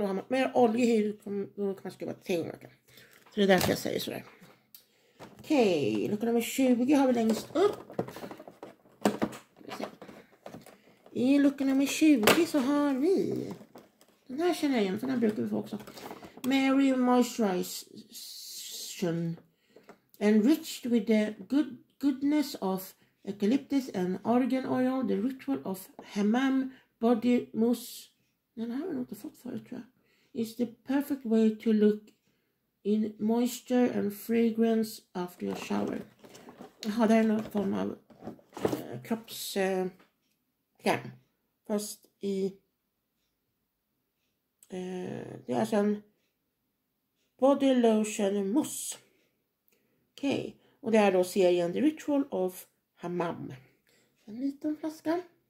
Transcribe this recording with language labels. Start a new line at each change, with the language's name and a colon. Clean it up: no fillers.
Swedish: Och har man mer oljig hud, då kan man skrubba 3 gånger i veckan. Så det är därför jag säger sådär. Okej, okay, lucka nummer 20 har vi längst upp. I lucka nummer 20 så har vi... Den här känner jag igen, för den brukar vi få också.
English: Mary Moisturization. Enriched with the goodness of eucalyptus and argan oil. The ritual of hammam body mousse.
Swedish: Den här har jag inte fått förut, tror jag.
English: It's the perfect way to look in moisture and fragrance after your shower.
Swedish: Jaha, det här är någon form av kroppskräm. Fast i... det är alltså en body lotion mousse. Okej. Okay. Och det är då serien The Ritual of Hammam. En liten flaska.